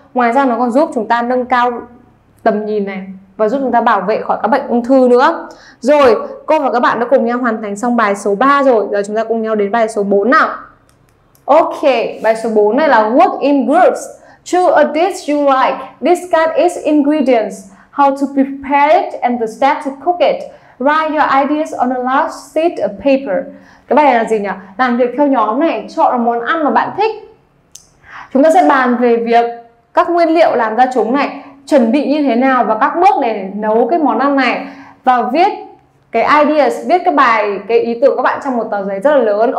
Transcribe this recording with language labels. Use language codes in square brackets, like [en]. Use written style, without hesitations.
[vi] Ngoài ra nó còn giúp chúng ta nâng cao tầm nhìn này và giúp chúng ta bảo vệ khỏi các bệnh ung thư nữa. Rồi, cô và các bạn đã cùng nhau hoàn thành xong bài số 3 rồi. Giờ chúng ta cùng nhau đến bài số 4 nào. Ok, bài số 4 này là [en] work in groups. Choose a dish you like. Discuss its ingredients, how to prepare it and the steps to cook it. Write your ideas on a large sheet of paper. [vi] Cái bài này là gì nhỉ? Làm việc theo nhóm này, chọn một món ăn mà bạn thích. Chúng ta sẽ bàn về việc các nguyên liệu làm ra chúng này, chuẩn bị như thế nào và các bước để nấu cái món ăn này, và viết cái ideas, viết cái bài, cái ý tưởng của các bạn trong một tờ giấy rất là lớn.